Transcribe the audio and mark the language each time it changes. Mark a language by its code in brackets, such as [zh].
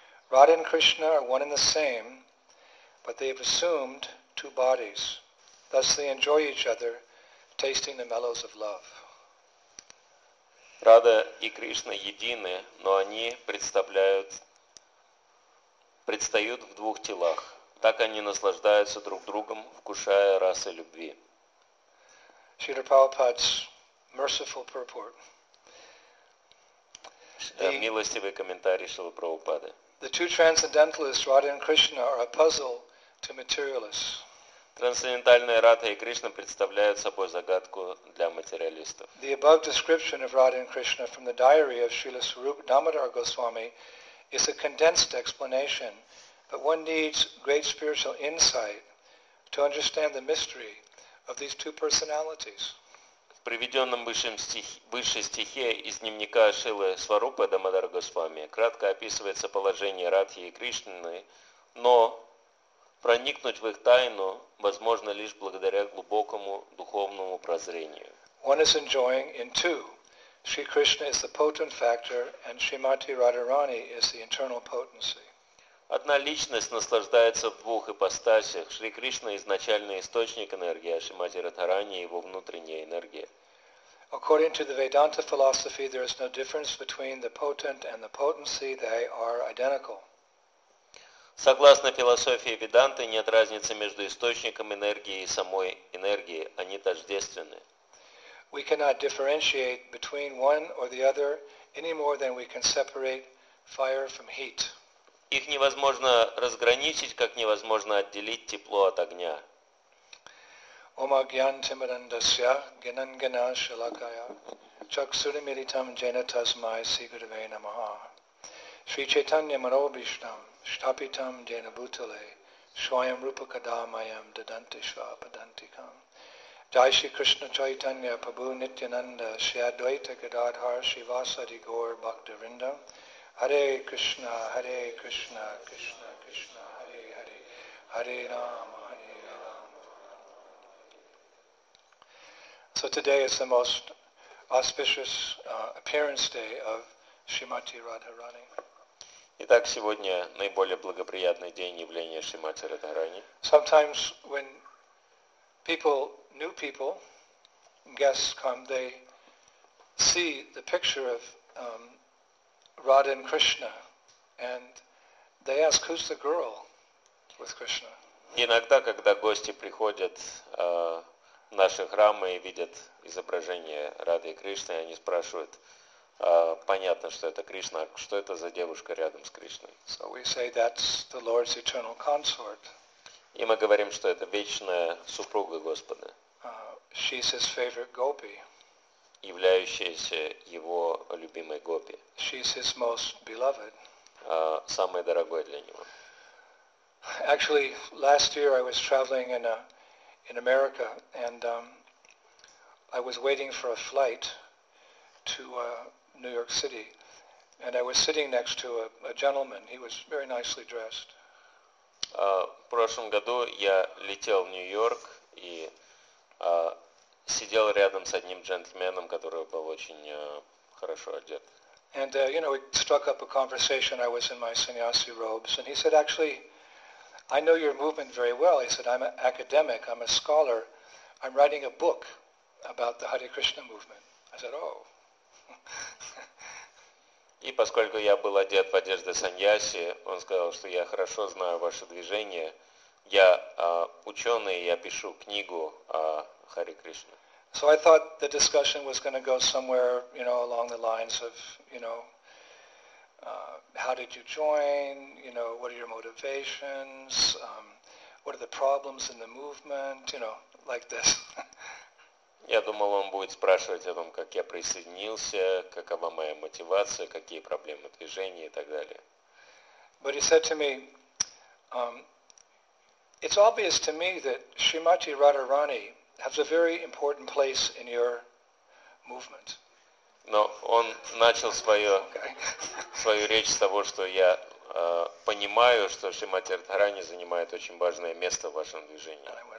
[en] Radha and Krishna are one and the same, but they have assumed two bodies. Thus they enjoy each other, tasting the mellows of love. [ru] Рада и Кришна едины, но они предстают в двух телах. Так они наслаждаются друг другом, вкушая расы любви. [en] Шрила Прабхупада's merciful purport. [ru] Милостивый комментарий Шрилы Прабхупады. [en] The two transcendentalists, Radha and Krishna, are a puzzle to materialists. [ru] Трансцендентальные Радха и Кришна представляют собой загадку для материалистов. [en] The above description of Radha and Krishna from the diary of Srila Swarup Damodar Goswami is a condensed explanation, but one needs great spiritual insight to understand the mystery of these two personalities. [ru] В приведенном выше стихе из дневника Шрилы Сварупы Дамодара Госвами кратко описывается положение Радхи и Кришны, но проникнуть в их тайну возможно лишь благодаря глубокому духовному прозрению. [en] One is enjoying in two. Shri Krishna is the potent factor, and Srimati Radharani is the internal potency. [ru] Одна личность наслаждается в двух ипостасях. Шри Кришна – изначальный источник энергии, а Шримати Радхарани – его внутренняя энергия. [en] According to the Vedanta philosophy, there is no difference between the potent and the potency. They are identical. [ru] Согласно философии Веданты, нет разницы между источником энергии и самой энергией. Они тождественны. [en] We cannot differentiate between one or the other any more than we can separate fire from heat. [ru] Их невозможно разграничить, как невозможно отделить тепло от огня. [sa] Ома гьян тимарандасья гинангана шилакая чаксуримиритам джейнатасмай сигурвей намаха Шри Чайтанья Маробишнам Штапитам Джена Бутале, Шваям Рупакада Майам Даданти Шва Падантикам. Джай Шри Кришна Чайтанья Пабу Нитьянанда, Шри Адвайта Гададхар Шивасади Гор Бхакти Вринда. Харе Кришна, Харе Кришна, Кришна Кришна, Харе Харе, Харе Рама, Харе Рама. [en] So today is the most auspicious appearance day of Srimati Radharani. [ru] Итак, сегодня наиболее благоприятный день явления Шримати Радхарани. [en] Sometimes when people, new people, guests come, they see the picture of Radha and Krishna, and they ask, who's the girl with Krishna? [ru] Иногда, когда гости приходят в наши храмы и видят изображение Рады и Кришны, они спрашивают, понятно, что это Кришна. Что это за девушка рядом с Кришной? [en] So we say that's the Lord's eternal consort. [ru] И мы говорим, что это вечная супруга Господа. [en] She's his favorite gopi. [ru] Являющаяся его любимой гопи. [en] She's his most beloved. [ru] Самой дорогой для него. [en] Actually, last year I was traveling in America, and I was waiting for a flight to New York City, and I was sitting next to a gentleman. He was very nicely dressed. [ru] В прошлом году я летел в Нью-Йорк и сидел рядом с одним джентльменом, который был очень хорошо одет. [en] And you know, we struck up a conversation. I was in my sannyasi robes, and he said, "Actually, I know your movement very well." He said, "I'm an academic. I'm a scholar. I'm writing a book about the Hare Krishna movement." I said, "Oh." [ru] И поскольку я был одет в одежды саньяси, он сказал, что я хорошо знаю ваше движение. Я ученый, я пишу книгу о Харе Кришне. [en] So I thought the discussion was going to go somewhere, you know, along the lines of, you know, how did you join, you know, what are your motivations, what are the problems in the movement, you know, like this. [ru] Я думал, он будет спрашивать о том, как я присоединился, какова моя мотивация, какие проблемы движения и так далее. [en] But he said to me, It's obvious to me that Srimati Radharani has a very important place in your movement. [ru] Но он начал свое, свою речь с того, что я понимаю, что Шримати Радхарани занимает очень важное место в вашем движении.